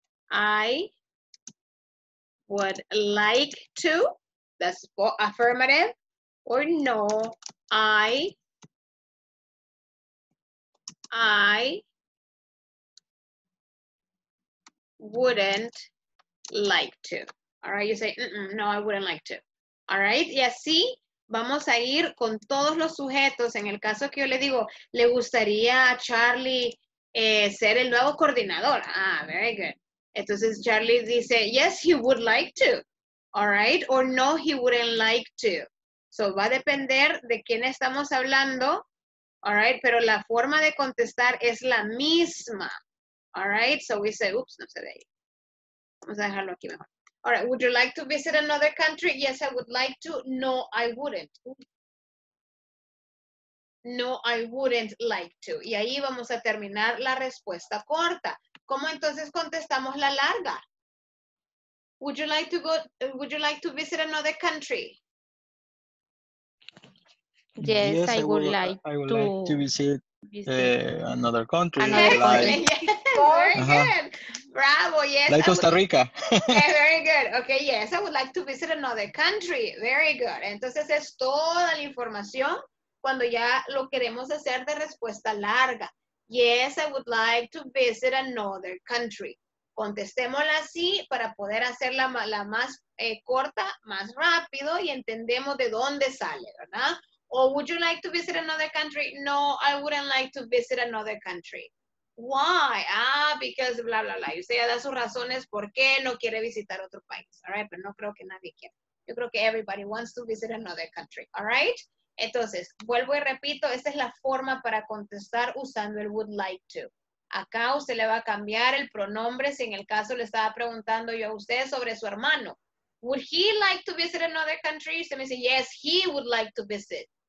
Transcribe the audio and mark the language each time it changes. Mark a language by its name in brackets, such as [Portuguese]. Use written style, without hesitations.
[English] I would like to, that's affirmative, or no, I wouldn't like to. All right, you say, no, I wouldn't like to. [Spanish] All right, y así vamos a ir con todos los sujetos. En el caso que yo le digo, ¿le gustaría a Charlie ser el nuevo coordinador? [English] Ah, very good. [Spanish] Entonces, Charlie dice, [English] yes, he would like to. All right, or no, he wouldn't like to. [Spanish] So, va a depender de quién estamos hablando. All right, pero la forma de contestar es la misma. All right, [English] so we say, oops, [Spanish] no se ve ahí. Vamos a dejarlo aquí mejor. [English] All right, would you like to visit another country? Yes, I would like to. No, I wouldn't. No, I wouldn't like to. [Spanish] Y ahí vamos a terminar la respuesta corta. ¿Cómo entonces contestamos la larga? [English] Would you like to go, would you like to visit another country? Yes, yes, I would like to visit another country. Bravo, yes. Like Costa Rica. Very good. Okay, yes, I would like to visit another country. Very good. [Spanish] Entonces es toda la información cuando ya lo queremos hacer de respuesta larga. [English] Yes, I would like to visit another country. [Spanish] Contestémosla así para poder hacerla la más corta, más rápido y entendemos de dónde sale, ¿verdad? [English] O would you like to visit another country? No, I wouldn't like to visit another country. Why? [Spanish] Ah, [English] because bla, bla, bla. [Spanish] Y usted ya da sus razones por qué no quiere visitar otro país. [English] All right, [Spanish] pero no creo que [English] nadie quiera. Yo creo que everybody wants to visit another country. All right? [Spanish] Entonces, vuelvo y repito, esta es la forma para contestar usando el would like to. Acá usted le va a cambiar el pronombre si en el caso le estaba preguntando yo a usted sobre su hermano. [English] Would he like to visit another country? [Spanish] Usted me dice, [English] yes, he would like to visit.